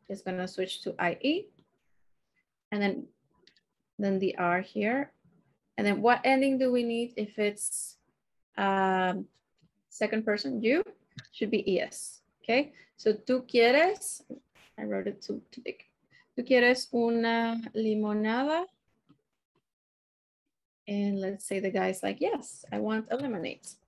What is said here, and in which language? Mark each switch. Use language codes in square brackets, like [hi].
[en] It's gonna switch to IE, and then the R here. And then what ending do we need if it's second person, you? Should be ES, okay? So tú quieres, I wrote it too big. [es] ¿Tú quieres una limonada? [en] And let's say the guy's like, yes, I want a lemonade.